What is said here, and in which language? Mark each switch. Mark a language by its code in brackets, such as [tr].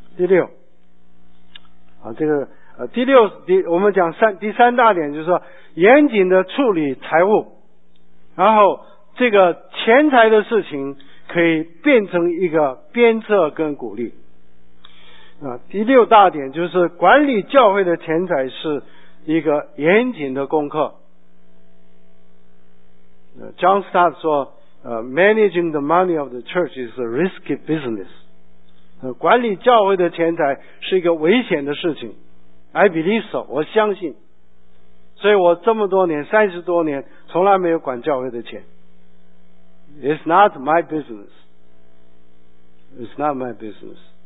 [zh] 第六啊，这个第六，我们讲第三大点，就是说严谨的处理财务，然后这个钱财的事情可以变成一个鞭策跟鼓励啊。第六大点就是管理教会的钱财是一个严谨的功课。 [en] John Stott 说，Managing the money of the church is a risky business. [zh] 管理教会的钱财是一个危险的事情。 [en] I believe so, [zh] 我相信。所以我这么多年，30多年，从来没有管教会的钱。 [en] It's not my business. It's not my business.